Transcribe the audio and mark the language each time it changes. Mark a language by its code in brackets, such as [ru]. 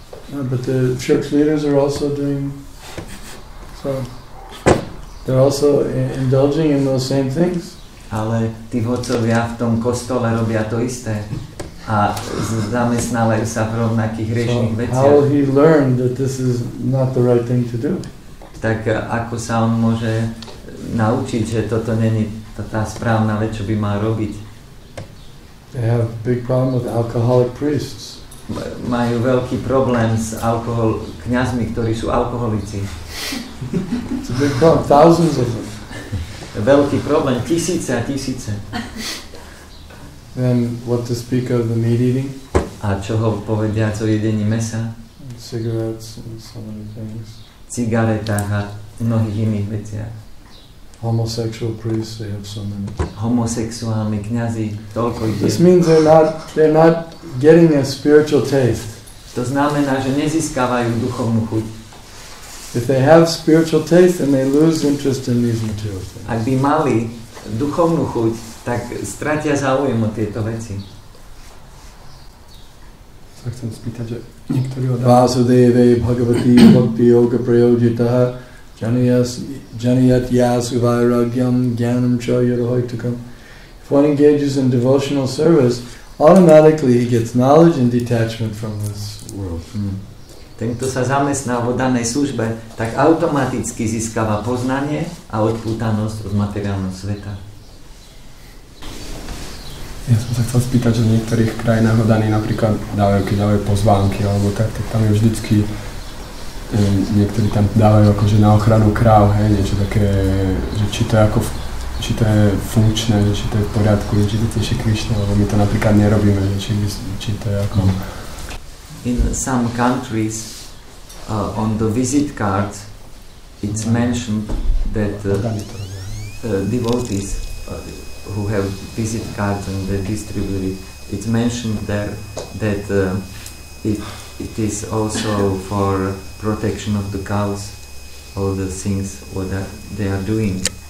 [en] Yeah, but the church leaders are also doing so. They're also indulging in those same things. [sk] Ale tí vodcovia v tom kostole robia to isté a zamestnávajú sa v rovnakých hriešných veciach. [en] How will he learn that this is not the right thing to do? [sk] Tak ako sa on môže naučiť, že toto není tá správna vec, čo by mal robiť? [en] They have a big problem with alcoholic priests. [sk] Majú veľký problém s alkohol kňazmi, ktorí sú alkoholici. [en] It's a big problem, thousands of them. [sk] Veľký problém, tisíce a tisíce. [en] Then what to speak of the meat eating? [sk] A čo ho povedia o jedení mesa? [en] Cigarettes and so many things. [sk] Cigaretách a mnohých iných veciach. [en] Homosexual priests, they have so many. [sk] Homosexuálni kňazi, toľko ide. [en] This means they're not getting a spiritual taste. [sk] To znamená, že nezískavajú duchovnú chuť. [en] If they have spiritual taste, then they lose interest in these material things. [sk] Ak by mali duchovnú chuť, tak stratia záujem o tieto veci. Sa chcem spýtať, že niektorí odávajú. [sa] Vásudeve, bhagavati, bhakti, yoga, prayojitaha, janiyat, yas, vairagyam, gyanam, cha, yadahoitukam. [en] If one engages in devotional service, automatically he gets knowledge and detachment from this world. [sk] Ten, kto sa zamestná vo danej službe, tak automaticky získava poznanie a odpútanosť od materiálneho sveta. Ja som sa chcel spýtať, že v niektorých krajinách ho daní napríklad dávajú, keď dávajú pozvánky alebo tak, tak tam je vždycky niektorí tam dávajú akože na ochranu kráv, hej, niečo také, že či to je ako, či to je funkčné, či to je v poriadku, či to je Krišna, lebo my to napríklad nerobíme, či to je ako. [en] In some countries, on the visit cards, it's mentioned that devotees who have visit cards and they distribute it, it's mentioned there that it is also for protection of the cows, all the things what they are doing.